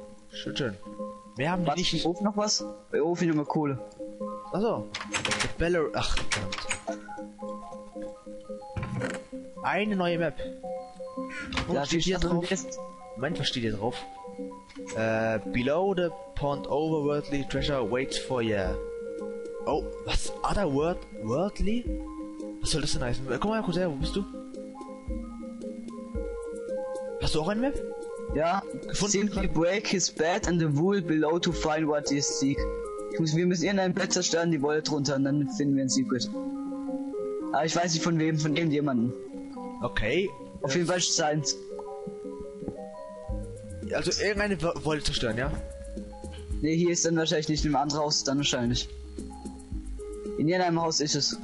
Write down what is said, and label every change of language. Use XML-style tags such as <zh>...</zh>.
<de>Schön, schön. Wir haben was, nicht. Im Ofen noch was? Bei Ofen nur mal Kohle. Achso. Ach, verdammt. Eine neue Map. Und da steht hier drauf. Moment, was steht hier drauf?</de> <en>Below the pond, overworldly treasure waits for ya.</en> <de>Oh, was? Otherworldly? Was soll das denn heißen? Guck mal, Cousin, wo bist du? Hast du auch eine Map? Ja, gefunden. Simply grad?</de> <en>Break his bed and the wool below to find what you seek.</en> <de>Wir müssen irgendein Bett zerstören, die Wolle drunter, und dann finden wir ein Secret. Aber ich weiß nicht von wem, von irgendjemandem. Okay. Auf jeden Fall Science. Also irgendeine Wolle zerstören, ja? Nee, hier ist dann wahrscheinlich nicht, im anderen Haus dann wahrscheinlich. In irgendeinem Haus ist es.</de>